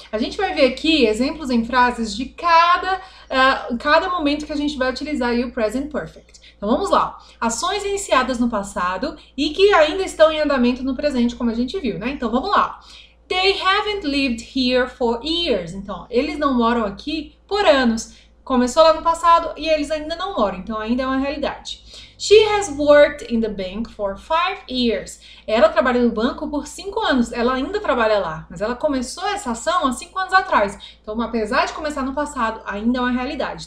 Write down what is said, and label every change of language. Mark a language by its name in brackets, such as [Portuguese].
[Portuguese] A gente vai ver aqui exemplos em frases de cada momento que a gente vai utilizar aí o present perfect. Então, vamos lá. Ações iniciadas no passado e que ainda estão em andamento no presente, como a gente viu, né? Então, vamos lá. [English] They haven't lived here for years. [Portuguese] Então, eles não moram aqui por anos. Começou lá no passado e eles ainda não moram. Então, ainda é uma realidade. [English] She has worked in the bank for 5 years. [Portuguese] Ela trabalha no banco por 5 anos. Ela ainda trabalha lá. Mas ela começou essa ação há 5 anos atrás. Então, apesar de começar no passado, ainda é uma realidade.